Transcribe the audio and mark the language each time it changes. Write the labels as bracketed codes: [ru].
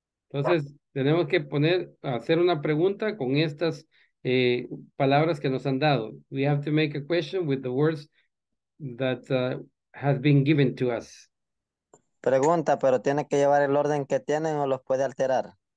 [es] Entonces, tenemos que hacer una pregunta con estas palabras que nos han dado. [en] We have to make a question with the words that have been given to us. [es] Pregunta, pero tiene que llevar el orden que tienen o los puede alterar.